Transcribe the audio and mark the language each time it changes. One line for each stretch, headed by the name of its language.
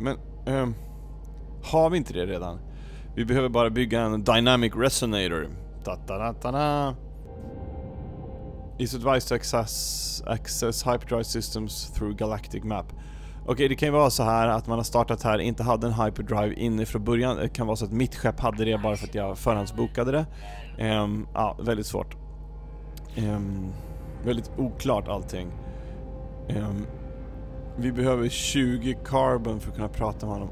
Swedish: Men har vi inte det redan? Vi behöver bara bygga en dynamic resonator. Ta-ta-ta-ta-na.
English: It's advised to access hyperdrive systems through galactic map.
Swedish: Okej, okay, det kan ju vara så här att man har startat här, inte hade en hyperdrive inifrån början. Det kan vara så att mitt skepp hade det bara för att jag förhandsbokade det. Ja, väldigt svårt. Väldigt oklart allting. Vi behöver 20 carbon för att kunna prata med honom.